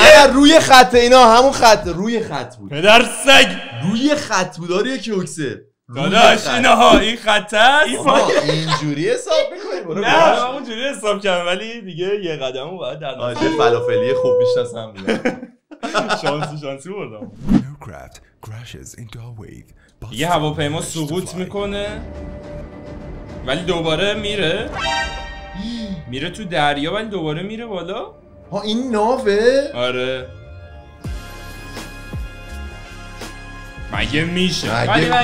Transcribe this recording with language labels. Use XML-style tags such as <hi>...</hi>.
<fa>نه روی خطه، اینا همون خطه، روی خط بود. پدر سگ روی خط بود. آره یکی اوکسه داداش، اینها این خطه است. اینجوری حساب میکنی؟ نه من اونجوری حساب کردم ولی دیگه یه قدم رو باید در نظر بگیرم. فلافلی خوب میشناسم. شانسی بردم.</fa> <en>Aircraft crashes into a wave.</en> <fa>یه هواپیما سقوط میکنه ولی دوباره میره، میره تو دریا ولی دوباره میره بالا. ها این ناوه؟ آره مگه میشه؟ مگه</fa>